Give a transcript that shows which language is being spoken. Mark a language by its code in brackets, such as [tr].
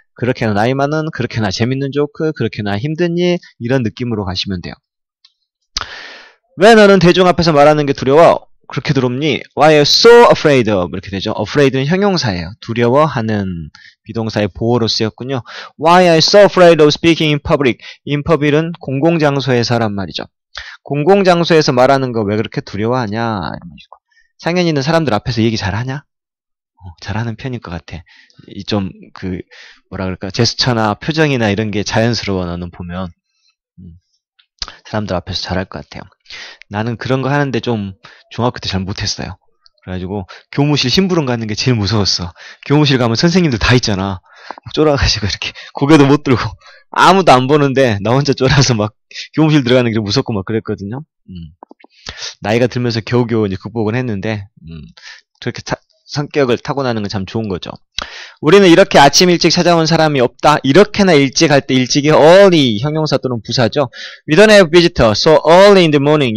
[ko] 그렇게나 나이 많은, 그렇게나 재밌는 조크, 그렇게나 힘든 일 이런 느낌으로 가시면 돼요. 왜 너는 대중 앞에서 말하는 게 두려워? 그렇게 두렵니? [en] Why are you so afraid of? [ko] 이렇게 되죠. Afraid는 형용사예요. 두려워하는 비동사의 보호로 쓰였군요. [en] Why are you so afraid of speaking in public? In public [ko] 은 공공장소에서란 말이죠. 공공장소에서 말하는 거왜 그렇게 두려워하냐? 이런 식으로. 상연이는 사람들 앞에서 얘기 잘하냐? 잘하는 편일 것 같아. 이 좀, 그, 뭐라 그럴까, 제스처나 표정이나 이런 게 자연스러워, 너는 보면. 사람들 앞에서 잘할 것 같아요. 나는 그런 거 하는데 좀 중학교 때잘 못했어요. 그래가지고 교무실 심부름 가는 게 제일 무서웠어. 교무실 가면 선생님들 다 있잖아. 쫄아가지고 이렇게 고개도 못 들고 아무도 안 보는데 나 혼자 쫄아서 막 교무실 들어가는 게 무섭고 막 그랬거든요. 나이가 들면서 겨우겨우 이제 극복은 했는데 그렇게 성격을 타고나는 건참 좋은 거죠. 우리는 이렇게 아침 일찍 찾아온 사람이 없다. 이렇게나 일찍 할때 일찍이 early 형용사 또는 부사죠. [en] We don't have visitors, so early in the morning.